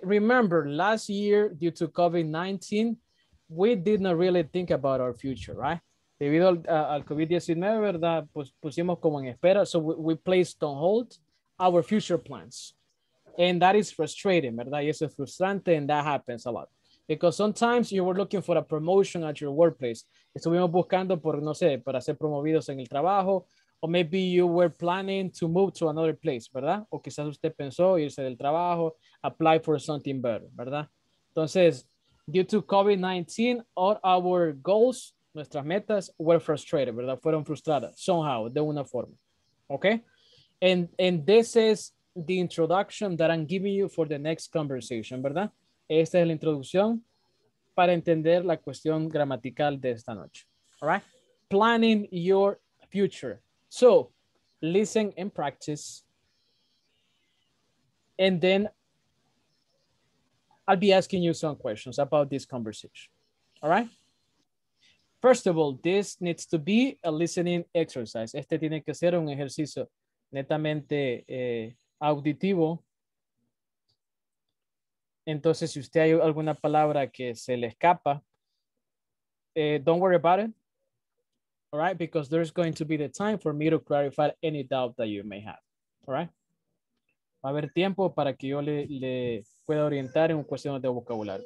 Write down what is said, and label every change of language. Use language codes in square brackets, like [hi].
[en] Remember, last year, due to COVID-19, we did not really think about our future, right? [es] Debido al COVID-19, ¿verdad? Pusimos como en espera. [en] So we placed on hold our future plans. And that is frustrating, [es] ¿verdad? Y eso es frustrante, [en] and that happens a lot. Because sometimes you were looking for a promotion at your workplace. [es] Estuvimos buscando por, no sé, para ser promovidos en el trabajo. [en] Or maybe you were planning to move to another place, ¿verdad? [es] O quizás usted pensó irse del trabajo, [en] apply for something better, [es] ¿verdad? [en] Entonces, due to COVID-19, all our goals, [es] nuestras metas, [en] were frustrated, ¿verdad? [es] Fueron frustradas, [en] somehow, [es] de una forma, [en] okay? And this is the introduction that I'm giving you for the next conversation, ¿verdad? [es] Esta es la introducción para entender la cuestión gramatical de esta noche, all right? [en] Planning your future. So, listen and practice. And then I'll be asking you some questions about this conversation, all right? First of all, this needs to be a listening exercise. [es] Este tiene que ser un ejercicio netamente auditivo. Entonces, si usted hay alguna palabra que se le escapa, [en] don't worry about it, [es] all right? [en] Because there's going to be the time for me to clarify any doubt that you may have, all right? [es] Va a haber tiempo para que yo le pueda orientar en cuestiones de vocabulario.